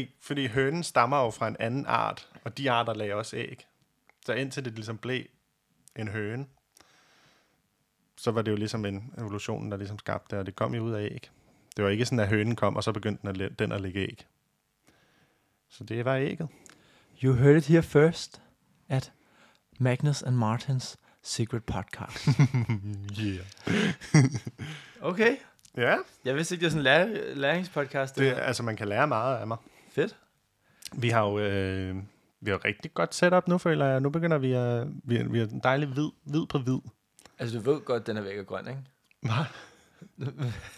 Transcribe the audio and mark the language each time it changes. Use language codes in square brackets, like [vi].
[da] Fordi hønen stammer jo fra en anden art, og de arter lagde også æg. Så indtil det ligesom blev en høne, så var det jo ligesom en evolution, der ligesom skabte det, og det kom jo ud af æg. Det var ikke sådan, at hønen kom, og så begyndte den at lægge æg. Så det var ægget. [en] You heard it here first at Magnus and Martins secret podcast. Yeah. Okay. [da] Ja. Jeg vidste ikke, det er sådan en læringspodcast. Altså, man kan lære meget af mig. Fedt. Vi har jo vi har rigtig godt setup nu, føler jeg. Nu begynder vi er en dejlig hvid på hvid. Altså, du ved godt, den er væk og grøn, ikke? Hvad?